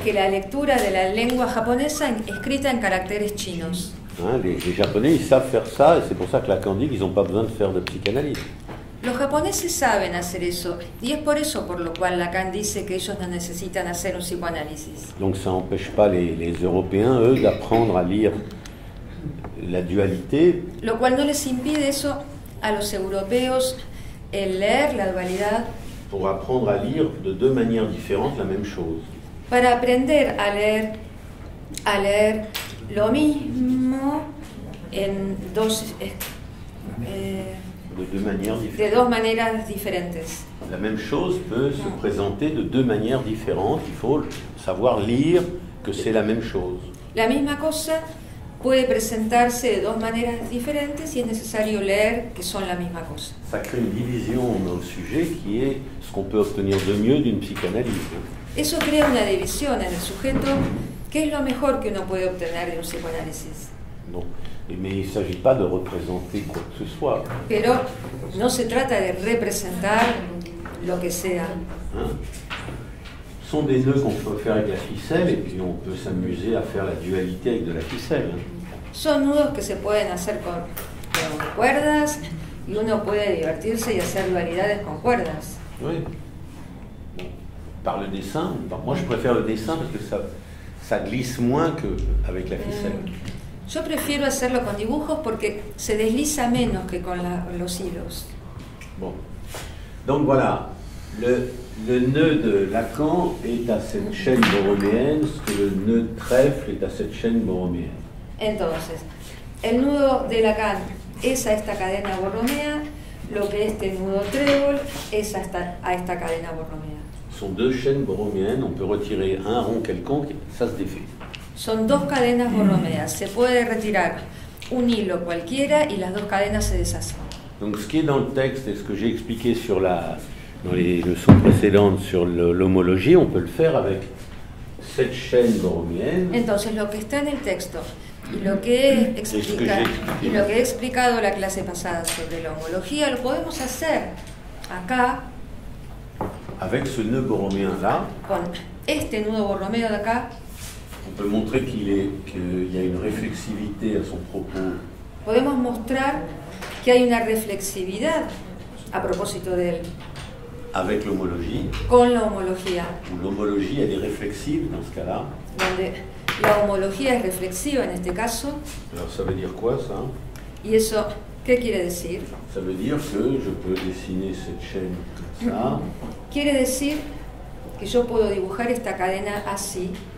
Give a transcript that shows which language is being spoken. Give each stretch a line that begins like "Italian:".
Spanish: Que la lectura de la lengua japonesa escrita en caracteres chinos.
French: Hein, les japonais, ils savent faire ça et c'est pour ça que Lacan dit qu'ils n'ont pas besoin de faire de psychanalyse.
Spanish: Los japoneses saben hacer eso y es por eso por lo cual Lacan dice que ellos no necesitan hacer un psicoanálisis.
French: Donc ça empêche pas les, les européens eux d'apprendre à lire la dualité.
Spanish: Lo cual no les impide eso a los europeos el leer la dualidad.
French: Pour apprendre à lire de deux manières différentes la même chose.
Spanish: Para aprender a leer lo mismo en dos
French: De deux manières différentes. La même chose peut se présenter de deux manières différentes. Il faut savoir lire que c'est la même chose.
Spanish: La misma cosa puede presentarse de dos maneras diferentes y es necesario leer que son la misma cosa.
French: Ça crée une division dans le sujet qui est ce qu'on peut obtenir de mieux d'une psychanalyse.
Spanish: Eso crea una división en el sujeto que es lo mejor que uno puede obtener de un psicoanálisis.
French: Non. Mais il ne s'agit pas de représenter quoi que ce soit.
Spanish: Pero no se trata de representar lo que sea.
French: Hein? Ce sont des nœuds qu'on peut faire avec la ficelle et puis on peut s'amuser à faire la dualité avec de la ficelle.
Spanish: Son nudos que se pueden hacer con cuerdas y uno puede divertirse y hacer dualidades con cuerdas.
French: Oui. Par le dessin, moi je préfère le dessin parce que ça, ça glisse moins qu'avec la ficelle.
Spanish: Yo prefiero hacerlo con dibujos porque se desliza menos que con la, los hilos.
French: Bon. Donc voilà, le nœud de Lacan est à cette chaîne borroméenne, ce que le nœud de trèfle est à cette chaîne borroméenne.
Spanish: Entonces, el nudo de Lacan es a esta cadena borromea, lo que este nudo trébol es hasta a esta cadena borromea.
French: Son deux chaînes borroméennes, on peut retirer un rond quelconque, ça se défait.
Spanish: Son dos cadenas borromeas. Se puede retirar un hilo cualquiera y las dos cadenas se deshacen.
French: Donc ce qui est dans le texte et ce que j'ai expliqué sur la, dans les leçons précédentes sur l'homologie, on peut le faire avec cette chaîne borromeenne.
Spanish: Entonces lo que está en el texto y lo que he explicado, lo que he explicado la clase pasada sobre la homología, lo podemos hacer acá.
French: Avec ce nœud borroméen là.
Spanish: Con este nudo borromeo de acá.
French: On peut montrer qu'il est, qu'il y a une réflexivité à son propos.
Spanish: Podemos mostrar que hay una reflexividad a propósito de él.
French: Avec l'homologie.
Spanish: Con la homología.
French: L'homologie, elle est réflexive dans ce cas-là.
Spanish: Donde la homología es reflexiva en este caso.
French: Alors ça veut dire quoi ça?
Spanish: Y eso, ¿qué quiere decir?
French: Ça veut dire que je peux dessiner cette chaîne comme ça.
Spanish: Quiere decir que yo puedo dibujar esta cadena así.